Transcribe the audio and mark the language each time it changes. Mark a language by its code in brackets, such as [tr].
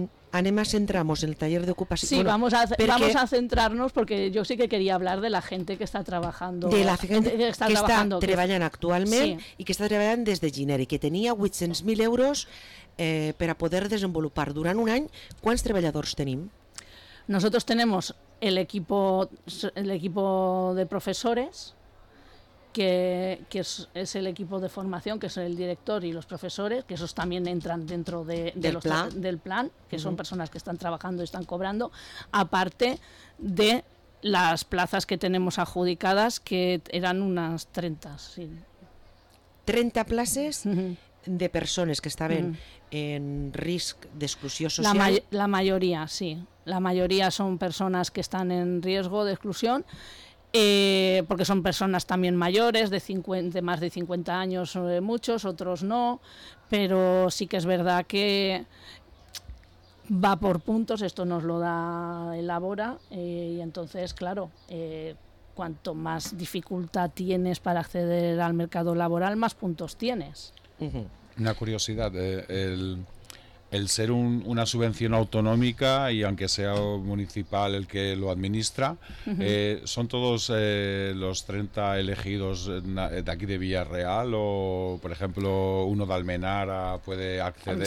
[ca] Anem a centrar-nos en el taller d'ocupació. [es] Sí, bueno, vamos a centrar-nos porque yo sí que quería hablar de la gente que está trabajando. De la gente que está treballant actualment, sí. [ca] I que està treballant des de gener i que tenia 800.000 euros per a poder desenvolupar durant un any. Quants treballadors tenim? [es] Nosotros tenemos el equipo de profesores, que es el equipo de formación, que es el director y los profesores, que esos también entran dentro del plan, que son personas que están trabajando y están cobrando, aparte de las plazas que tenemos adjudicadas, que eran unas 30. Sí. [ca] 30 places de persones que estaven en risc d'exclusió social? La majoria, sí. La majoria són persones que estan en risc d'exclusió perquè són persones també majors, de més de 50 anys, molts, altres no, però sí que és veritat que va per punts, això ens ho elabora i entonces, clar, cuanto més dificultat tens per accedir al mercat laboral, més punts tens. [es] Una curiosidad, el ser una subvención autonómica y aunque sea municipal el que lo administra, ¿son todos los 30 elegidos de aquí de Villarreal o, por ejemplo, uno de Almenara puede acceder?